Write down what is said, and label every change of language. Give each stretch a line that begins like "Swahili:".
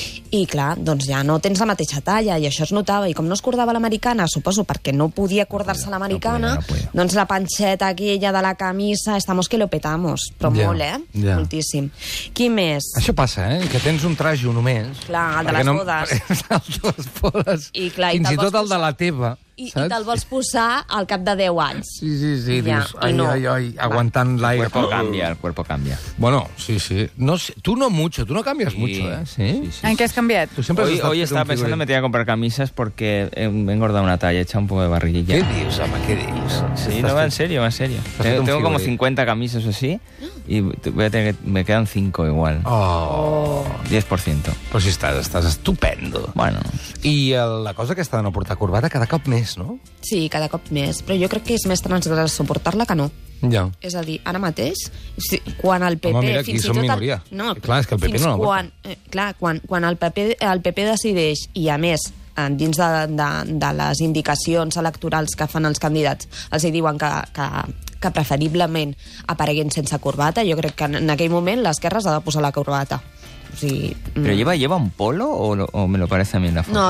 Catalan: I clar, doncs ja no tens la mateixa talla, i això es notava. I com no es cordava l'americana, suposo perquè no podia cordar-se l'americana, no podia. Doncs la panxeta aquella de la camisa,
Spanish: estamos que lo petamos.
Catalan: Però molt, eh? Ja. Moltíssim. Qui més? Això passa, eh? Que tens un traje només. Clar, el de les bodes. I clar, fins i tot el de la teva. I te'l vols posar al cap de 10 anys. Sí, ja. Dius, ai, aguantant l'aire.
Spanish: El cuerpo cambia. Bueno, sí. No, tu no mucho, tu no cambias mucho, eh? Sí.
Catalan: En què has canviat?
Spanish: Hoy estaba pensando en meter a comprar camisas porque he engordado una talla, he echado un poco de barriguilla.
Catalan: ¿Qué dius, home, qué dius?
Spanish: Sí, no, va en serio. Tengo como 50 camisas o así y voy a tener que, me quedan 5 igual. Oh. 10%. Pues si estás estupendo. Bueno.
Catalan: I la cosa aquesta de no portar corbata cada cop més. No? Sí, cada cop més, però jo crec que és més transgressor suportar-la que no. Ja. És a dir, ara mateix, quan el PP... Home, mira, aquí som minoria. No, clar, és que el PP no la porta. Quan el PP decideix, i a més, dins de les indicacions electorals que fan els candidats, els hi diuen que preferiblement apareguin sense corbata, jo crec que en aquell moment l'esquerra s'ha de posar la corbata. Sí.
Spanish: ¿Pero lleva un polo o me lo parece a mí en la foto?